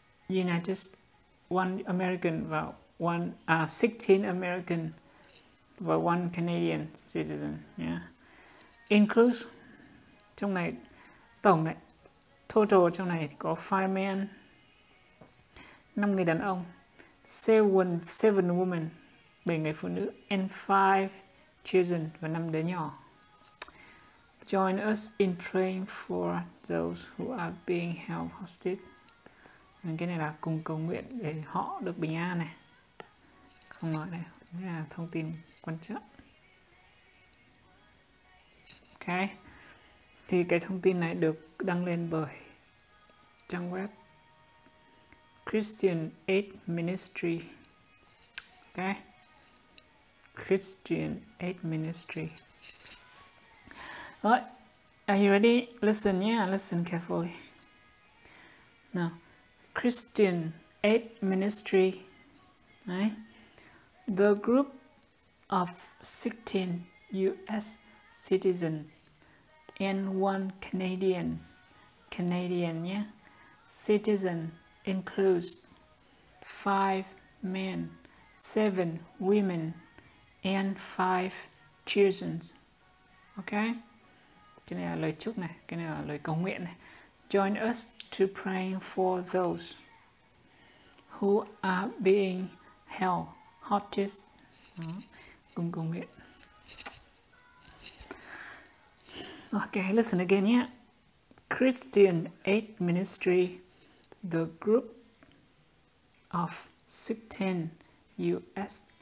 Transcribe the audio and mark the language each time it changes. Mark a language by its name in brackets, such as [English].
[English] United, one American và one 16 American và one Canadian citizen, yeah, includes. [Vietnamese] Trong này, tổng này, [English] total [Vietnamese] trong này có [English] 5 men, [Vietnamese] 5 người đàn ông, [English] 7 women, [Vietnamese] 7 người phụ nữ, [English] and 5 children, [Vietnamese] và 5 đứa nhỏ. [English] Join us in praying for those who are being held hostage. [Vietnamese] Cái này là cùng cầu nguyện để họ được bình an này. Không nói này, đây là thông tin quan trọng. Ok. Thì cái thông tin này được đăng lên bởi trang web Christian Aid Ministry. [English] Ok. Christian Aid Ministry. Rồi, are you ready? Listen, yeah, listen carefully. Now, Christian Aid Ministry. Đấy. The group of 16 US citizens and one Canadian, yeah, citizen includes 5 men, 7 women, and 5 children. Okay? [Vietnamese] Cái này là lời chúc này, cái này là lời cầu nguyện này. [English] Join us to pray for those who are being held hostage. [Vietnamese] Cùng cầu nguyện. [English] Okay, listen again, yeah. Christian Aid Ministry, the group of 16 U.S.